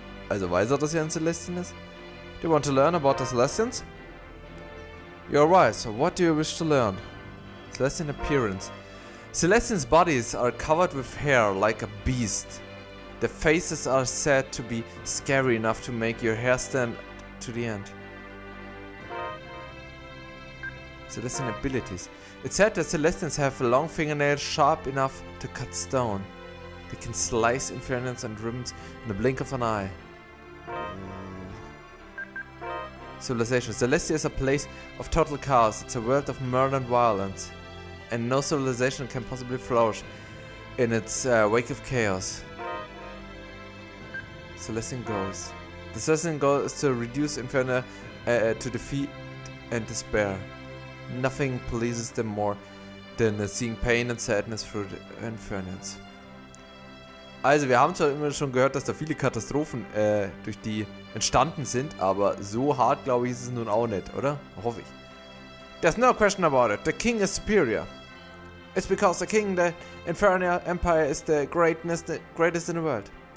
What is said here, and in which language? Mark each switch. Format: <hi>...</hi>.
<de>Also weiß er, dass hier ein Celestian ist?</de> <en>Do you want to learn about the Celestians? You're right, so what do you wish to learn? Celestian appearance. Celestians' bodies are covered with hair like a beast. The faces are said to be scary enough to make your hair stand to the end. Celestian abilities. It's said that Celestians have long fingernails sharp enough to cut stone. They can slice infernals and ribbons in the blink of an eye. Civilization. Celestia is a place of total chaos. It's a world of murder and violence. And no civilization can possibly flourish in its wake of chaos. Celestian goals. The Celestian goal is to reduce Inferno to defeat and despair. Nothing pleases them more than seeing pain and sadness through the Infernals.</en> <de>Also, wir haben zwar immer schon gehört, dass da viele Katastrophen durch die entstanden sind, aber so hart, glaube ich, ist es nun auch nicht, oder? Hoffe ich.</de> <en>There's no question about it. The king is superior. It's because the king, the Infernal Empire, is the greatest in the world.</en>